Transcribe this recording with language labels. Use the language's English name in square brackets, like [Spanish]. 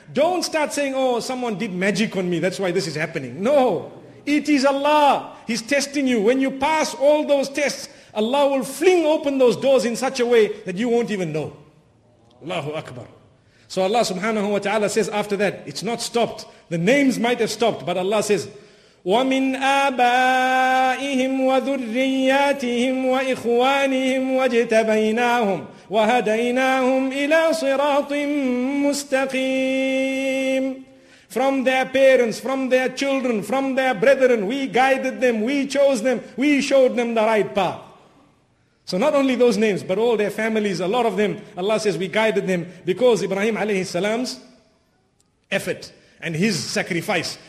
[English] Don't start saying, oh, someone did magic on me. That's why this is happening. No. It is Allah. He's testing you. When you pass all those tests, Allah will fling open those doors in such a way that you won't even know. Allahu Akbar. So Allah subhanahu wa ta'ala says after that, it's not stopped. The names might have stopped, but Allah says, [Arabic] وَمِنْ آبَائِهِمْ وَذُرِّيَّاتِهِمْ وَإِخْوَانِهِمْ وَاجْتَبَيْنَاهُمْ وَهَدَيْنَاهُمْ إِلَىٰ صِرَاطٍ مُسْتَقِيمٍ. [English] From their parents, from their children, from their brethren, we guided them, we chose them, we showed them the right path. So not only those names, but all their families, a lot of them, Allah says we guided them because Ibrahim alayhi salam's effort and his sacrifice.